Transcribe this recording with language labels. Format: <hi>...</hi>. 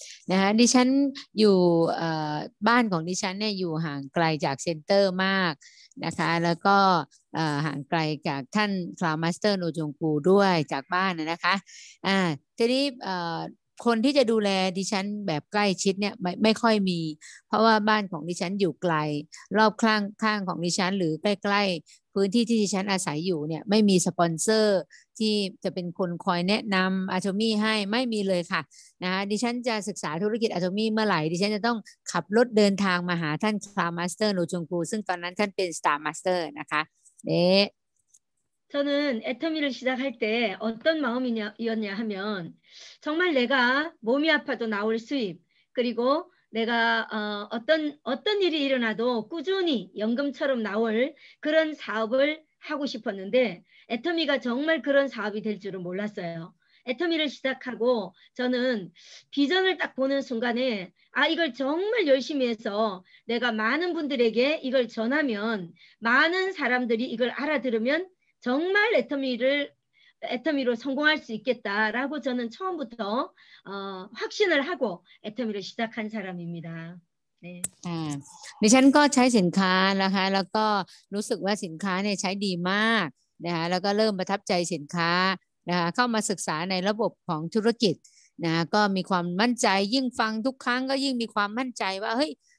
<th>นะคะดิฉันอยู่บ้านของดิฉันเนี่ยอยู่ห่างไกลจากเซ็นเตอร์มากนะคะแล้วก็ห่างไกลจากท่านคลาวมาสเตอร์โนจงกูด้วยจากบ้านนะคะ ทีนี้คนที่จะดูแลดิฉันแบบใกล้ชิดเนี่ยไม่ค่อยมีเพราะว่าบ้านของดิฉันอยู่ไกลรอบข้างของดิฉันหรือใกล้ๆพื้นที่ที่ดิฉันอาศัยอยู่เนี่ยไม่มีสปอนเซอร์ที่จะเป็นคนคอยแนะนำอาโทมี่ให้ไม่มีเลยค่ะนะดิฉันจะศึกษาธุรกิจอาโทมี่เมื่อไหร่ดิฉันจะต้องขับรถเดินทางมาหาท่านคลาวมาสเตอร์โนจงกูซึ่งตอนนั้นท่านเป็นสตาร์มาสเตอร์นะคะเด</th> <ko>저는 애터미를 시작할 때 어떤 마음이었냐 하면 정말 내가 몸이 아파도 나올 수입 그리고 내가 어떤 일이 일어나도 꾸준히 연금처럼 나올 그런 사업을 하고 싶었는데 애터미가 정말 그런 사업이 될 줄은 몰랐어요. 애터미를 시작하고 저는 비전을 딱 보는 순간에 아 이걸 정말 열심히 해서 내가 많은 분들에게 이걸 전하면 많은 사람들이 이걸 알아들으면 정말 애터미로 성공할 수 있겠다라고 저는 처음부터 확신을 하고 애터미를 시작한 사람입니다. 네.</ko> <th>ดิฉันก็ใช้สินค้านะคะแล้วก็รู้สึกว่าสินค้าเนี่ยใช้ดีมากนะคะแล้วก็เริ่มประทับใจสินค้านะคะเข้ามาศึกษาในระบบของธุรกิจนะก็มีความมั่นใจยิ่งฟังทุกครั้งก็ยิ่งมีความมั่นใจว่าเฮ้ย</th>